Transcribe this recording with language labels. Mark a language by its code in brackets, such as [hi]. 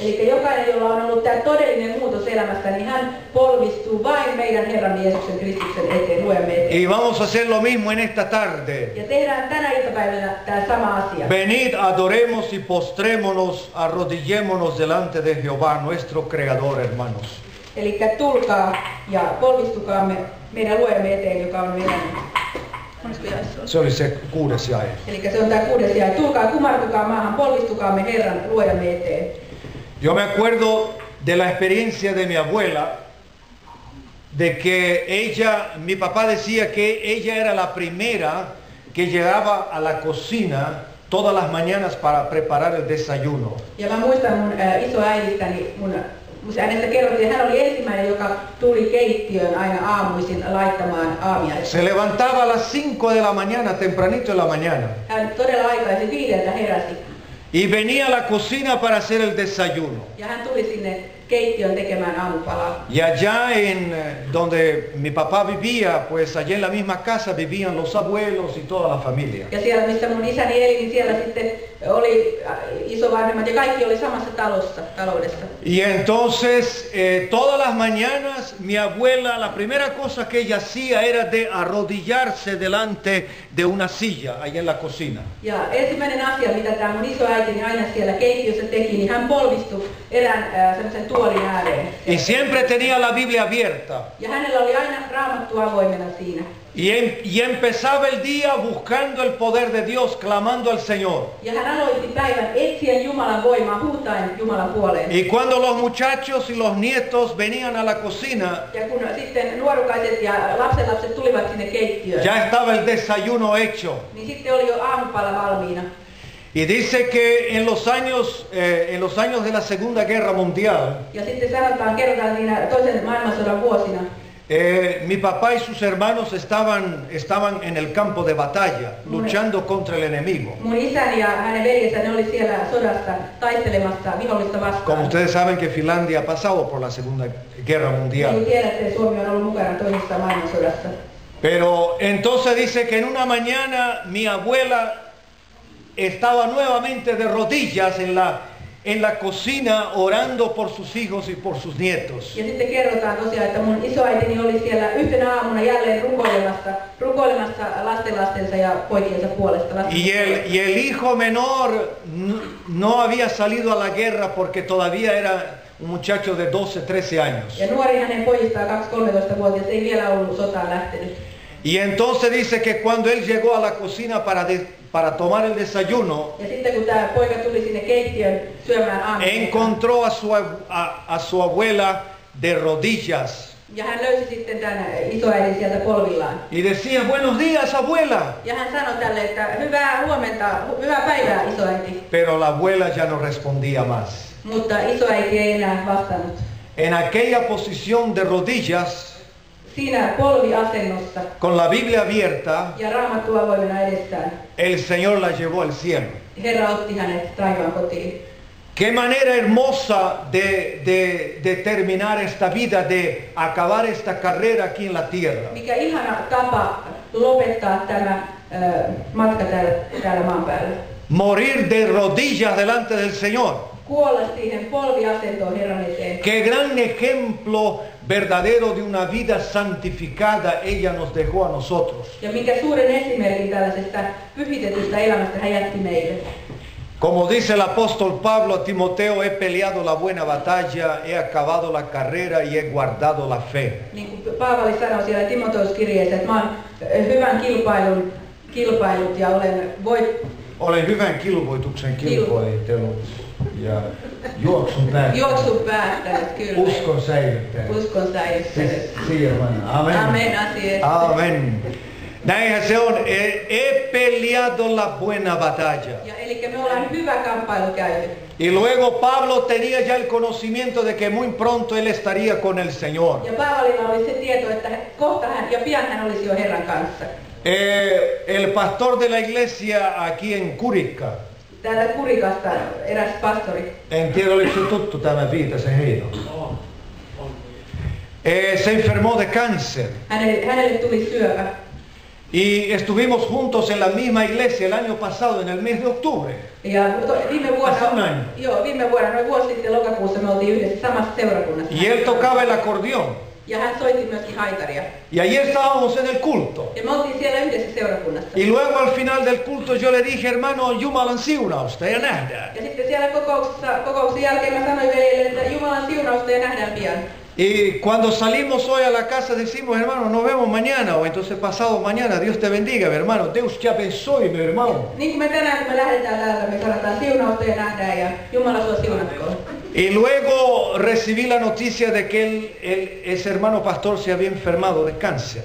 [fi] Eli jokainen, jolla on ollut tämä todellinen muutos elämässä, niin hän polvistuu vain meidän Herran Jeesuksen Kristuksen eteen, luemme eteen. [es] Y vamos a hacer lo mismo en esta tarde. [fi] Ja tehdään tänä iltapäivänä tämä sama asia. [es] Venid, adoremos y postrémonos, arrodillémonos delante de Jehová, nuestro Creador, hermanos. [fi] Eli tulkaa ja polvistukaamme meidän luemme eteen, joka on meidän. Se oli se kuudes jae. Eli se on tämä kuudes jae. Tulkaa, kumartukaa maahan, polvistukaamme Herran luojamme eteen. [es] Yo me acuerdo de la experiencia de mi abuela, de que ella, mi papá decía que ella era la primera que llegaba a la cocina todas las mañanas para preparar el desayuno. [fi] Ja mä muistan mun isoäidistäni, hänestä kerrottiin, hän oli ensimmäinen, joka tuli keittiöön aina aamuisin laittamaan aamiaista. [es] Se levantaba a las 5 de la mañana, tempranito de la mañana. [fi] Hän todella aikaisin viideltä heräsi. [es] Y venía a la cocina para hacer el desayuno. [fi] Ja hän tuli sinne keittiön tekemään aamupalaa. [es] Y allá en donde mi papá vivía, pues allá en la misma casa vivían los abuelos y toda la familia. [fi] Ja siellä missä mun isäni eli, niin siellä sitten oli isovanhemmat ja kaikki oli samassa taloudessa. [es] Y entonces todas las mañanas mi abuela, la primera cosa que ella hacía era de arrodillarse delante de una silla allá en la cocina. [fi] Ja ensimmäinen asia, mitä tää mun isoäitini aina siellä keittiössä teki, niin hän polvistui erään semmoisen tuolin ääreen. [es] Y siempre tenía la Biblia abierta. [fi] Ja hänellä oli aina Raamattu avoimena siinä. [es] Y empezaba el día buscando el poder de Dios, clamando al Señor. [fi] Ja hän aloitti päivän etsien Jumalan voimaa, huutaen Jumalan puoleen. [es] Y cuando los muchachos y los nietos venían a la cocina, [fi] ja kun sitten nuorukaiset ja lapsenlapset tulivat sinne keittiöön, [es] ya estaba el desayuno hecho. [fi] Niin sitten oli jo aamupala valmiina. [es] Y dice que en los años de la Segunda Guerra Mundial, [fi] ja sitten sanotaan kerrotaan siinä toisen maailmansodan vuosina, [es] Mi papá y sus hermanos estaban en el campo de batalla, luchando contra el enemigo. [fi] Mun isäni ja hänen veljensä, ne oli siellä sodassa taistelemassa vihollista vastaan. [es] Como ustedes saben que Finlandia ha pasado por la Segunda Guerra Mundial. [fi] Niin tiedätte, Suomi on ollut mukana toisessa maailmansodassa. [es] Pero entonces dice que en una mañana mi abuela estaba nuevamente de rodillas en la cocina orando por sus hijos y por sus nietos. [fi] Ja sitten kerrotaan tosiaan, että mun isoäitini oli siellä yhtenä aamuna jälleen rukoilemassa lastenlastensa ja poikiensa puolesta. [es] Y el hijo menor no había salido a la guerra porque todavía era un muchacho de 12-13 años. [fi] Ja nuori hänen pojista 12-13-vuotias ei vielä ollut sotaan lähtenyt. [es] Y entonces dice que cuando él llegó a la cocina para tomar el desayuno, [fi] ja sitten kun tämä poika tuli sinne keittiön syömään aamupalaa, [es] encontró a su abuela de rodillas. [fi] Ja hän löysi sitten tämän isoäidin sieltä polvillaan. [es] Y decía, buenos días, abuela. [fi] Ja hän sanoi tälle, että hyvää päivää, isoäiti. [es] Pero la abuela ya no respondía más. [fi] Mutta isoäiti ei enää vastannut. [es] En aquella posición de rodillas, [fi] siinä polviasennossa, [es] con la Biblia abierta, [fi] ja Raamattu avoimena edessään, [es] el Señor la llevó al cielo. [fi] Herra otti hänet taivaan kotiin. [es] Qué manera hermosa de terminar esta vida, de acabar esta carrera aquí en la tierra. [fi] Mikä ihana tapa lopettaa tämä matka täällä maan päällä. [es] Morir de rodillas delante del Señor. [fi] Kuolla siihen polviasentoon Herran eteen. [es] Qué gran ejemplo verdadero de una vida santificada ella nos dejó a nosotros. [fi] Ja mikä suuren esimerkin tällaisesta pyhitetystä elämästä hän jätti meille. [es] Como dice el apóstol Pablo a Timoteo, he peleado la buena batalla, he acabado la carrera y he guardado la fe. [fi] Niin kuin Paavali sanoi siellä Timoteus-kirjeessä, että mä oon hyvän kilpailut ja olen hyvän kilpoituksen kilpoitellut. Ja juoksun päättänyt, kyllä. Uskon säilyttänyt. Amen. Amen. Näinhän se on. [es] He peleado la buena batalla. [fi] Ja eli me ollaan hyvä kamppailu käyty. [es] Y luego Pablo tenía ya el conocimiento de que muy pronto él estaría con el Señor. [fi] Ja Paavalilla oli se tieto, että kohta hän ja pian hän olisi jo Herran kanssa. [es] El pastor de la iglesia aquí en Curica. [fi] Täällä Kurikasta eräs pastori. En tiedä, oliko se tuttu tämä viita, se heino. [es] Se enfermó de cáncer. [fi] Hänelle tuli syöpä. [es] Y estuvimos juntos en la misma iglesia el año pasado, en el mes de octubre. [fi] Ja viime vuonna, [es] hace un año. [fi] Joo, viime vuonna, noin vuosi sitten lokakuussa me oltiin yhdessä samassa seurakunnassa. [es] Y él tocaba el acordeón. [fi] Ja hän soitti myöskin haitaria. [es] Y ahí estábamos en el culto. [fi] Ja me oltiin siellä yhdessä seurakunnassa. [es] Y luego al final del culto yo le dije, hermano, [fi] Jumalan siunausta ja nähdään. Ja sitten siellä kokouksen jälkeen mä sanoin veljelle, että Jumalan siunausta ja nähdään pian. [es] Y cuando salimos hoy a la casa decimos, hermano, nos vemos mañana, o entonces pasado mañana, Dios te bendiga, mi hermano, Dios te abençoe, mi hermano. [fi] Niin kuin me tänään, kun me lähdetään täältä, me sanotaan siunausta ja nähdään, ja Jumala sua siunatkoon. [es] Y luego recibí la noticia de que ese hermano pastor se había enfermado de cáncer.